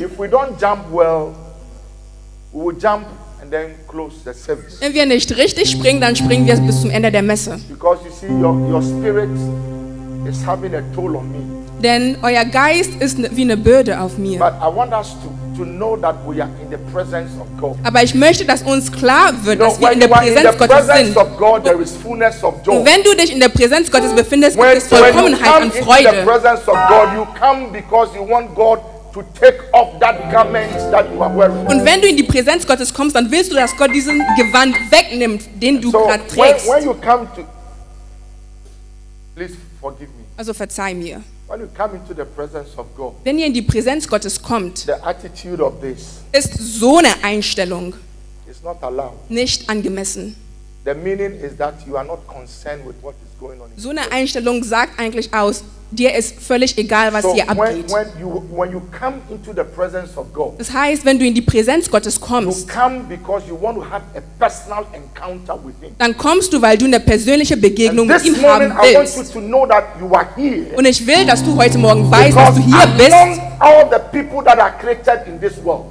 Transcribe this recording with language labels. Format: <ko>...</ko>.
<en>If we don't jump well, we will jump and then close the service.</en> <de>Wenn wir nicht richtig springen, dann springen wir bis zum Ende der Messe.</de> <en>Because you see, your spirit is having a toll on me.</en> <de>Denn euer Geist ist wie eine Bürde auf mir.</de> <en>But I want us to know that we are in the presence of God.</en> <de>Aber ich möchte, dass uns klar wird, dass wir in der Präsenz Gottes sind.</de> <en>Of God, there is fullness of joy.</en> <de>Und wenn du dich in der Präsenz Gottes befindest, gibt es Vollkommenheit und Freude.</de> <en>When you come into the presence of God, you come because you want God to take off that garment that you are wearing.</en> <de>Und wenn du in die Präsenz Gottes kommst, dann willst du, dass Gott diesen Gewand wegnimmt, den du gerade trägst.</de> <en>When you come to, please forgive me.</en> <de>Also verzeih mir.</de> <en>When you come into the presence of God,</en> <de>wenn ihr in die Präsenz Gottes kommt,</de> <en>the attitude of this</en> <de>ist so eine Einstellung,</de> <en>is not allowed.</en> <de>Nicht angemessen.</de> <en>The meaning is that you are not concerned with what is going on.</en> <de>So eine Einstellung sagt eigentlich aus, dir ist völlig egal, was hier abgeht.</de> <en>When you come into the presence of God,</en> <de>das heißt, wenn du in die Präsenz Gottes kommst,</de> <en>you come because you want to have a personal encounter with him.</en> <de>Dann kommst du, weil du eine persönliche Begegnung</de> <en>and</en> <de>mit ihm haben willst.</de> <en>I want you to know that you are here.</en> <de>Und ich will, dass du heute Morgen weißt, dass du hier bist.</de> <en>All the people that are created in this world.</en>